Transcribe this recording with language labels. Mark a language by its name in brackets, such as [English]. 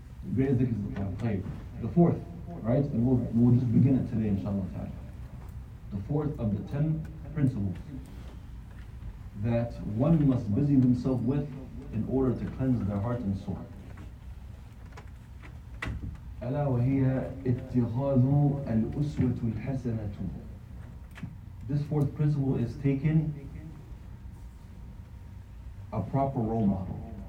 [English] The greatest dhikr is the Quran. The fourth, right? And we'll just begin it today, inshallah ta'ala. The fourth of the 10 principles that one must busy themselves with in order to cleanse their heart and soul. [Arabic] ألا وهي اتخاذ الأسوة الحسنة. [English] This fourth principle is taking a proper role model.